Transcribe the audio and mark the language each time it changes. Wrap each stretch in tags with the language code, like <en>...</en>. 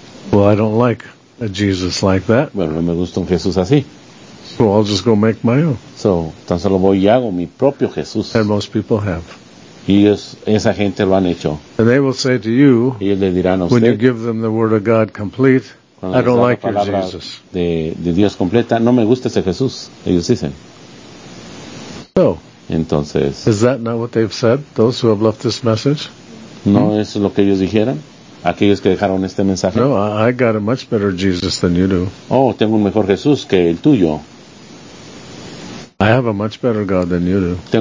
<en>Well, I don't like a Jesus like that.</en> <es>Bueno, no me gusta un Jesús así.</es> <en>So I'll just go make my own.</en> <es>So, tan solo voy y hago mi propio Jesús.</es> <en>And most people have.</en> <es>Y ellos, esa gente lo han hecho.</es> <en>And they will say to you,</en> <es>y ellos le dirán a usted,</es> <en>when you give them the word of God complete, I don't like your Jesus.</en> <es>De Dios completa, no me gusta ese Jesús, ellos dicen.</es> <en>So,</en> <es>entonces,</es> <en>is that not what they've said, those who have left this message?</en> <es>No, eso es lo que ellos dijeron. Aquellos que dejaron este mensaje.</es> <en>No, I got a much better Jesus than you do.</en> <es>Oh, tengo un mejor Jesús que el tuyo.</es> <en>I have a much better God than you do.</en>